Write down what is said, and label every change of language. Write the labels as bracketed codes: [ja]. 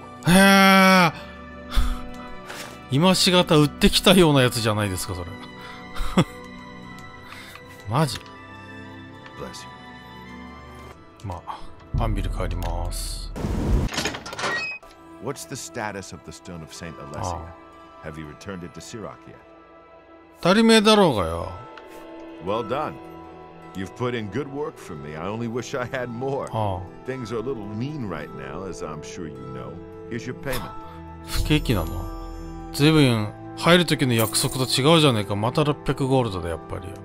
[ja] へえ。今しがた売ってきたようなやつじゃないですか、それ。マジ。まあ、アンビル帰ります。 [en] What's the status of the stone of Saint Alessia? Have you returned it to Sirach yet? [ja] 足りめえだろうがよ。 [en] Well done. You've put in good work for me. I only wish I had more. Things are a little mean right now, as I'm sure you know. Here's your payment. [ja] 不景気なの。随分入る時の約束と違うじゃねえか。また600ゴールドだ、やっぱり。